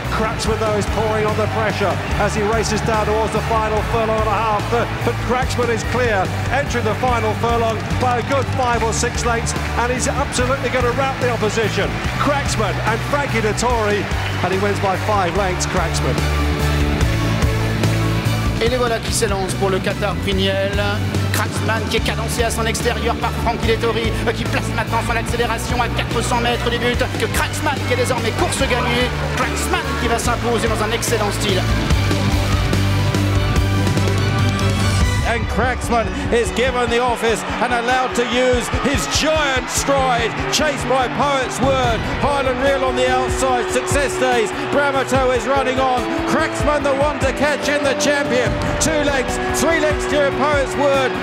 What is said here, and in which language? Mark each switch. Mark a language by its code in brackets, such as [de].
[en] Cracksman though is pouring on the pressure as he races down towards the final furlong and a half, but Cracksman is clear, entering the final furlong by a good 5 or 6 lengths, and he's absolutely going to rout the opposition. Cracksman and Frankie Dettori, and he wins by 5 lengths, Cracksman. [fr] Et les voilà qui s'élancent pour le Qatar Priniel. Cracksman qui est cadencé à son extérieur par Frankie Dettori, qui place maintenant son accélération à 400 mètres du but. Que Cracksman qui est désormais course gagnée. Cracksman qui va s'imposer dans un excellent style. [en] And Cracksman is given the office and allowed to use his giant stride, chased by Poet's Word. Highland Reel on the outside, Success Days, Bramato is running on. Cracksman the one to catch in the champion. 2 lengths, 3 lengths to Poet's Word.